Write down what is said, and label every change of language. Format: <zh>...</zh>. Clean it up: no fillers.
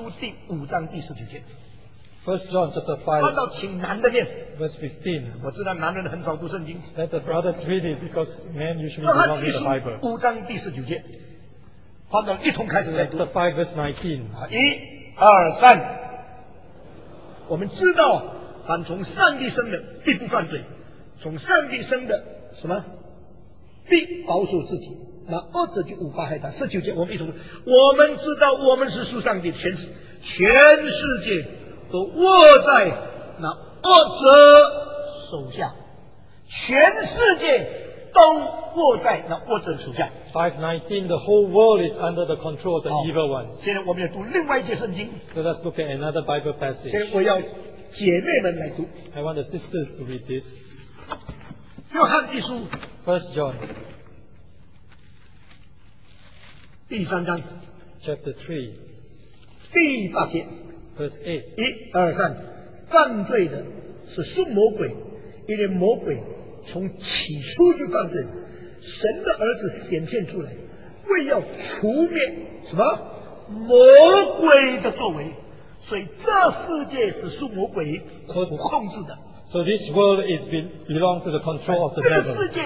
<zh>约翰一书第五章第十九节.</zh> <en>1 John chapter 5,</en> <zh>按照请男的念,</zh> <en>verse 15.</en> <zh>我知道男人很少读圣经,</zh> <en>let the brothers read it, because men usually do not read the Bible.</en> <zh>约翰一书五章第十九节, 按照一同开始来读,</zh> <en>chapter 5, verse 19.</en> <zh>1, 2, 3, 我们知道, 凡从上帝生的, 必不犯罪, 从上帝生的, 什么? 必保守自己, 那恶者就无法害他, 19节, 我们一同, 我们知道, 我们是属上帝, 全世, 全世界, 都握在那恶者手下, 全世界, 都握在那恶者手下,</zh> <en>519, the whole world is under the control of the evil one.</en> <zh>现在我们要读另外一节圣经,</zh> <en>let us look at another Bible passage.</en> <zh>现在我要姐妹们来读,</zh> <en>I want the sisters to read this.</en> <zh>约翰一书,</zh> <en>1 John</en> <zh>第三章,</zh> <en>chapter</en> <zh>3, 第八节,</zh> <en>verse 8.</en> <zh>1, 2, 3, 犯罪的是魔鬼, 因为魔鬼 从起初就犯罪, 神的儿子显现出来, 为要除灭, 什么? 魔鬼的作为, 所以这世界是属魔鬼, 所控制的。</zh> <en>So this world is belong to the control of the devil.</en>